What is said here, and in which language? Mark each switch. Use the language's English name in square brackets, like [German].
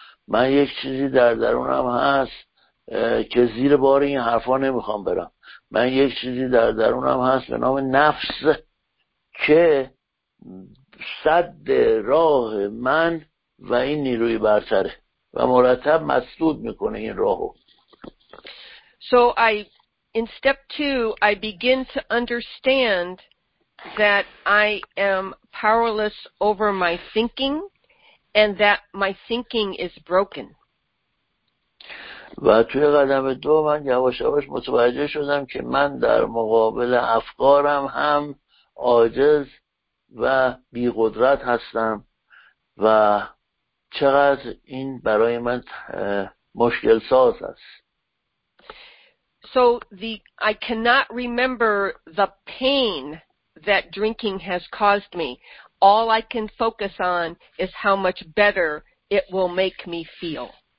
[Persian] من یک چیزی در درونم هست که زیر بار این حرفا نمیخوام برم. من یک چیزی در درونم هست به نام نفس که سد راه من و این نیروی برتره و مرتب مسدود میکنه این راهو. [English] So in step 2 I begin to understand that I am powerless over my thinking and that my thinking is broken. [Persian] و توی قدم 2 من یواش یواش متوجه شدم که من در مقابل افکارم هم عاجز و بی‌قدرت هستم و چقدر این برای من مشکل ساز است. [English] So I cannot remember the pain that drinking has caused me. All I can focus on is how much better it will make me feel.